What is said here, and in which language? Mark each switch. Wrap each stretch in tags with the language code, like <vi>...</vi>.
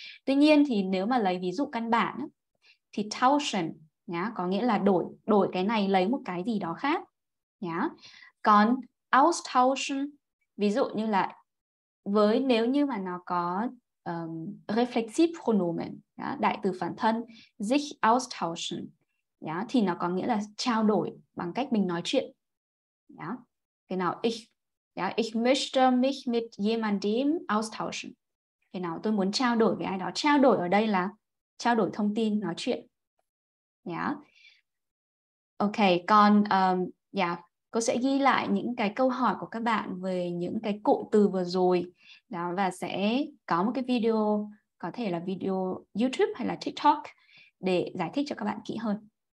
<vi>Tuy nhiên thì nếu mà lấy ví dụ căn bản á, thì tauschen nhá, có nghĩa là đổi đổi cái này lấy một cái gì đó khác nhá. Còn austauschen ví dụ như là với nếu như mà nó có reflexive pronomen, đại từ phản thân, sich austauschen Yeah, thì nó có nghĩa là trao đổi bằng cách mình nói chuyện. Yeah.</vi> <de>Genau, ich möchte mich mit jemandem austauschen. Genau,</de> <vi>tôi muốn trao đổi với ai đó. Trao đổi ở đây là trao đổi thông tin, nói chuyện. Yeah. Ok, còn yeah, cô sẽ ghi lại những cái câu hỏi của các bạn về những cái cụm từ vừa rồi. Đó, và sẽ có một cái video, có thể là video YouTube hay là TikTok để giải thích cho các bạn kỹ hơn.</vi>